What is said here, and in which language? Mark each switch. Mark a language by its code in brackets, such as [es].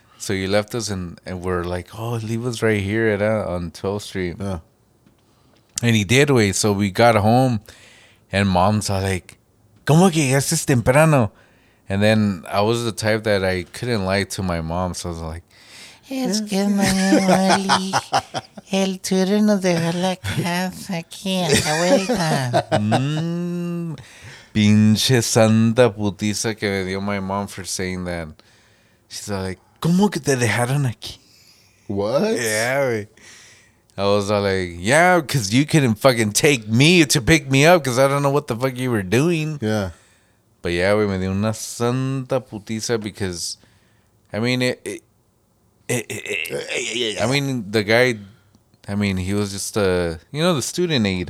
[en] So you left us and we're like, oh, leave us right here at on 12th Street. Yeah. And he did wait. So we got home and mom's all like, [es] ¿Cómo que ya es temprano? [en] And then I was the type that I couldn't lie to my mom. So I was like, [es] es que mañana el tutor nos dejó la casa aquí en la vuelta. Pinche santa putiza que me dio [en] my mom for saying that. She's all like, [es] ¿Cómo que te dejaron aquí? [en] What? Yeah, I was all like, yeah, because you couldn't fucking take me to pick me up because I don't know what the fuck you were doing. Yeah. But yeah, we [es] me dio una santa putiza [en] because, I mean, he was just the student aide.